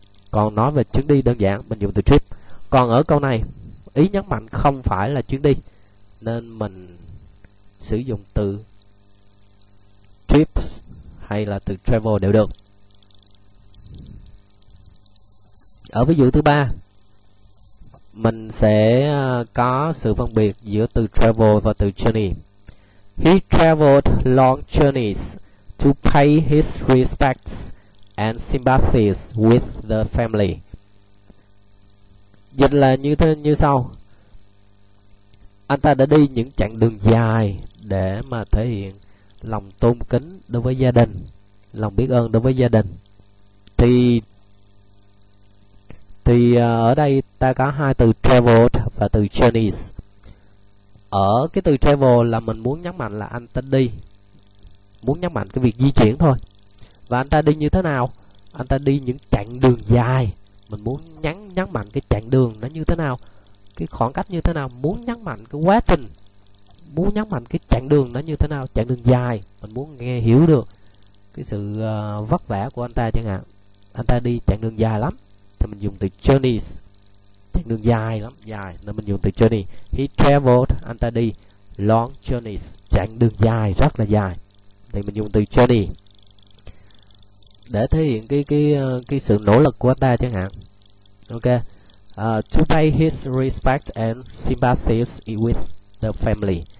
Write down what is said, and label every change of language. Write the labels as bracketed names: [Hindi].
[Vietnamese] Còn nói về chuyến đi đơn giản, mình dùng từ trip. Còn ở câu này, ý nhấn mạnh không phải là chuyến đi, nên mình sử dụng từ trips hay là từ travel đều được. Ở ví dụ thứ ba, mình sẽ có sự phân biệt giữa từ travel và từ journey. [English] He traveled long journeys to pay his respects and sympathies with the family. [Vietnamese] Dịch là như sau. Anh ta đã đi những chặng đường dài để mà thể hiện lòng tôn kính đối với gia đình, lòng biết ơn đối với gia đình. Thì ở đây ta có hai từ traveled và từ journeys. Ở cái từ travel là mình muốn nhấn mạnh là anh ta đi, muốn nhấn mạnh cái việc di chuyển thôi. Và anh ta đi như thế nào? Anh ta đi những chặng đường dài. Mình muốn nhấn mạnh cái chặng đường nó như thế nào, cái khoảng cách như thế nào, muốn nhấn mạnh cái quá trình, muốn nhấn mạnh cái chặng đường nó như thế nào, chặng đường dài. Mình muốn nghe hiểu được cái sự vất vả của anh ta chẳng hạn. Anh ta đi chặng đường dài lắm, thì mình dùng từ journeys. Chặng đường dài lắm, dài, nên mình dùng từ journey. [English] He traveled, [Vietnamese] anh ta đi [English] long journeys, [Vietnamese] chặng đường dài, rất là dài, thì mình dùng từ journey để thể hiện cái sự nỗ lực của anh ta chẳng hạn. [English] Ok, to pay his respect and sympathies with the family.